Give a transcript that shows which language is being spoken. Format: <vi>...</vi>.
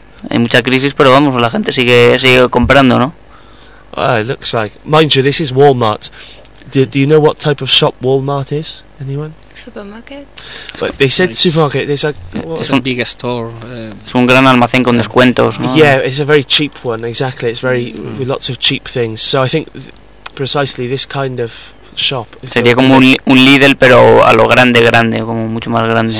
<es>Hay mucha crisis, pero vamos, la gente sigue comprando, ¿no?</es> <en>It looks like. Mind you, this is Walmart. Do you know what type of shop Walmart is? Anyone? Supermarket. But they said it's supermarket. It's like, what? It's a big store.</en> <es>Es un gran almacén con descuentos, ¿no?</es> <en>Yeah, it's a very cheap one, exactly. It's very, with lots of cheap things. So I think precisely this kind of shop.</en> <es>Sería como un Lidl, pero a lo grande, como mucho más grande.</es>